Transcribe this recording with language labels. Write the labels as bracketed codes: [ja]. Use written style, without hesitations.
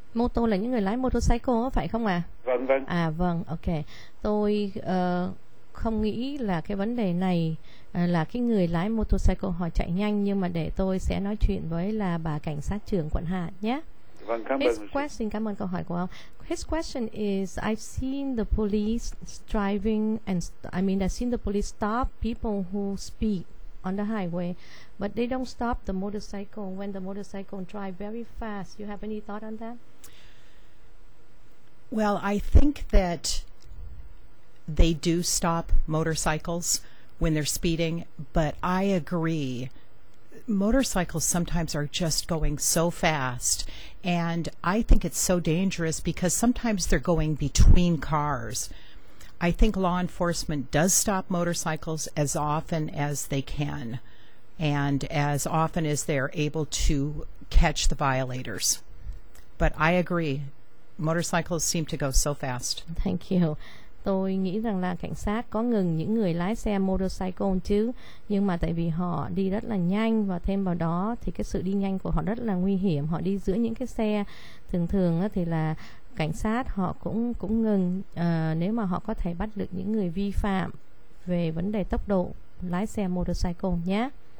[vi] Mô tô là những người lái motorcycle phải không ạ? Vâng. À vâng, ok. Tôi không nghĩ là cái vấn đề này là cái người lái motorcycle họ chạy nhanh, nhưng mà để tôi sẽ nói chuyện với là bà cảnh sát trưởng quận Hà nhé. Vâng, cảm ơn. [en] His question, [vi] cảm ơn câu hỏi của ông. [en] His question is, I've seen the police driving and I've seen the police stop people who speed on the highway, but they don't stop the motorcycle when the motorcycle drive very fast. You have any thought on that? Well, I think that they do stop motorcycles when they're speeding, but I agree. Motorcycles sometimes are just going so fast, and I think it's so dangerous because sometimes they're going between cars. I think law enforcement does stop motorcycles as often as they can, and as often as they're able to catch the violators. But I agree. Motorcycles seem to go so fast. Thank you. [vi] Tôi nghĩ rằng là cảnh sát có ngừng những người lái xe motorcycle chứ, nhưng mà tại vì họ đi rất là nhanh, và thêm vào đó thì cái sự đi nhanh của họ rất là nguy hiểm. Họ đi giữa những cái xe, thường thường thì là cảnh sát họ cũng ngừng nếu mà họ có thể bắt được những người vi phạm về vấn đề tốc độ lái xe motorcycle nhé.